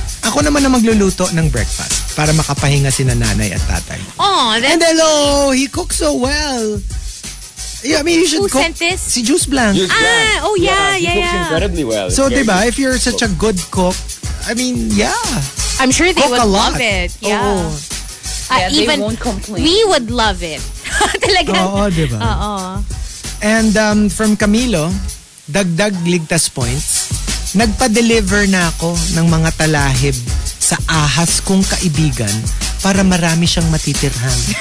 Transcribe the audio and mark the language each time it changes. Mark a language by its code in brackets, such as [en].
[tl] Ako naman ang magluluto ng breakfast para makapahinga sina nanay at tatay. [en] Oh, that's and hello, he cooks so well. Yeah, I mean, you should cook. Who sent this? [tl] Si Juice Blank. [en] Yeah. He cooks incredibly well. So, yeah, diba, if you're such a good cook, I mean, yeah. I'm sure they would love it. Yeah. Oh. Even they won't complain. We would love it. Talaga. [tl] Oo, diba? Uh-oh. [en] And from Camilo, [tl] dagdag ligtas points, nagpa-deliver na ako ng mga talahib sa ahas kong kaibigan para marami siyang matitirhan.